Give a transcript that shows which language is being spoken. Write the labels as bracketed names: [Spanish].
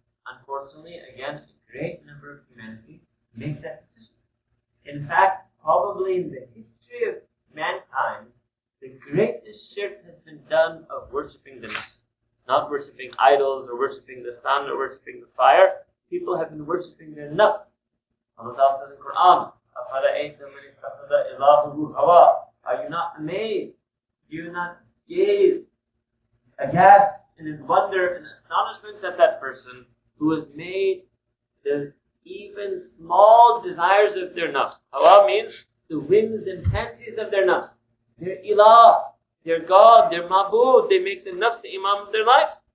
[English] Unfortunately, again, a great number of humanity make that decision. In fact, probably in the history of mankind, the greatest shirk has been done of worshipping the nafs. Not worshipping idols, or worshipping the sun, or worshipping the fire. People have been worshipping their nafs. Allah says in Quran, [Arabic] أَفَلَا أَيْتَ مَنِ اتَّخَذَ إِلَٰهُهُ هَوَىٰ. [English] Are you not amazed? Do you not gaze aghast and in wonder and astonishment at that person who has made the even small desires of their nafs? Hawa means the whims and fancies of their nafs. Their ilah, their god, their ma'bud, they make the nafs the imam of their life.